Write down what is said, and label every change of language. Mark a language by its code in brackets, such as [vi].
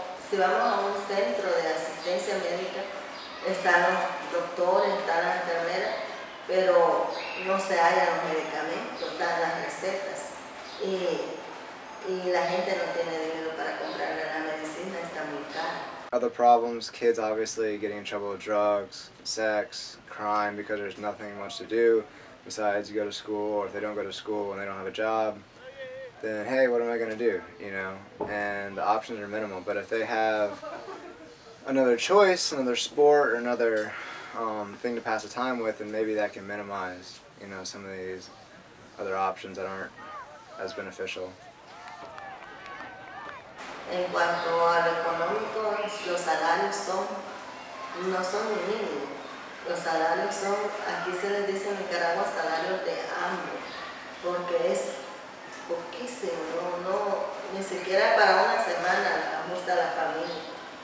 [es] Si vamos a un centro de asistencia médica, están los doctores, están las enfermeras, pero no se hallan los medicamentos, están las recetas. Y la gente no tiene dinero para comprarle la medicina, está muy cara. [en] other problems, kids obviously getting in trouble with drugs, sex, crime, because there's nothing much to do besides you go to school, or if they don't go to school and they don't have a job, then hey, what am I gonna do, you know? And the options are minimal, but if they have another choice, another sport, or another thing to pass the time with, then maybe that can minimize, you know, some of these other options that aren't as beneficial. [es] En cuanto a lo económico, los salarios son, no son mínimos. Los salarios son, aquí se les dice en Nicaragua, salarios de hambre, porque es poquísimo, no, no, ni siquiera para una semana ajusta la familia.